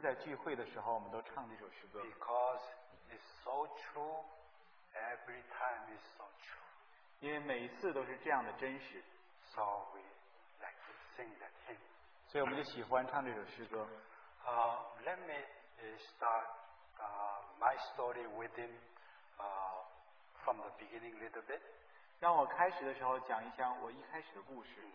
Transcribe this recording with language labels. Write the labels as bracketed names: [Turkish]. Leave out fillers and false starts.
[Chinese] 在韩国最近，当我们每次在聚会的时候，我们都唱这首诗歌。 [English] Because it's so true, every time it's so true. [Chinese] 因为每一次都是这样的真实。 [English] So we like to sing that hymn. [Chinese] 所以我们就喜欢唱这首诗歌。 [English] Let me start. My story with him from the beginning a little bit. [Chinese] 让我开始的时候讲一讲我一开始的故事。